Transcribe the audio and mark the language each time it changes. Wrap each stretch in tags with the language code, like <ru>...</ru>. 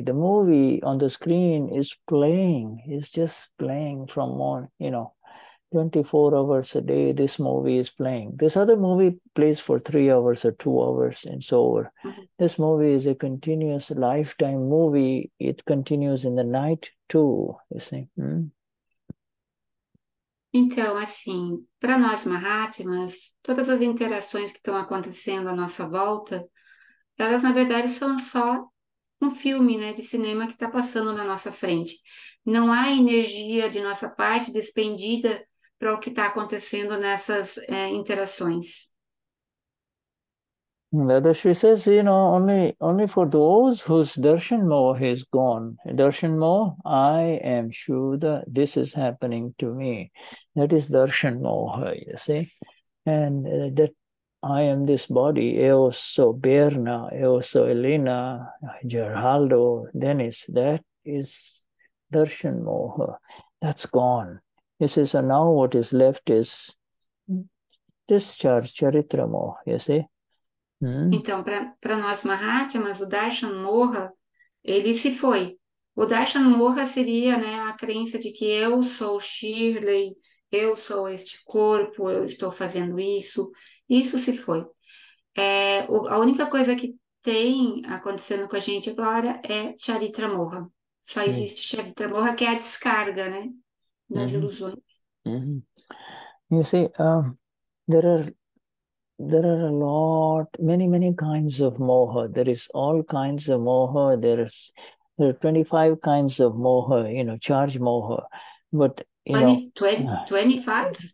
<en>The movie on the screen is playing. It's just playing from on, you know, 24 hours a day, this movie is playing. This other movie plays for 3 hours or 2 hours and so on. This movie is a continuous lifetime movie. It continues in the night too, you see. Hmm?</en> <pt>Então, assim, para nós Mahatmas, todas as interações que estão acontecendo à nossa volta, elas, na verdade, são só um filme, né, de cinema que está passando na nossa frente. Não há energia de nossa parte despendida para o que está acontecendo nessas interações.</pt> <en>Dadashri says, you know, only for those whose darshan moha is gone. Darshan moha, I am Shuddha, this is happening to me. That is darshan moha, you see. And that I am this body,</en> <pt>eu sou Berna, eu sou Elena,</pt> <en>Geraldo, Dennis, that is Darshan Moha, that's gone. He says, so now what is left is discharge, Charitra Moha, you see? Hmm?</en> <pt>Então, para nós Mahatmas, o Darshan Moha, ele se foi. O Darshan Moha seria, né, a crença de que eu sou Shirley, eu sou este corpo, eu estou fazendo isso. Isso se foi. A única coisa que tem acontecendo com a gente agora é Charitra Moha. Só existe Charitra Moha, que é a descarga, né? Das uh-huh. ilusões. Uh-huh.</pt> <en>You see, there are a lot, many, many kinds of moha. There is all kinds of moha. There are 25 kinds of moha, you know, charge moha. But 25?</en>